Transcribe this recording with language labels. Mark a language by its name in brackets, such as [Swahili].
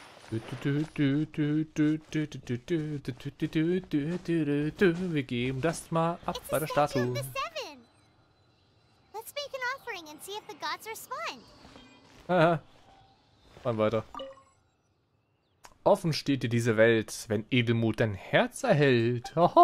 [German] Wir geben das mal ab bei der Statue. [English] Let's make an offering and see if the gods respond. [German] Dann weiter. Offen steht dir diese Welt, wenn Edelmut dein Herz erhält.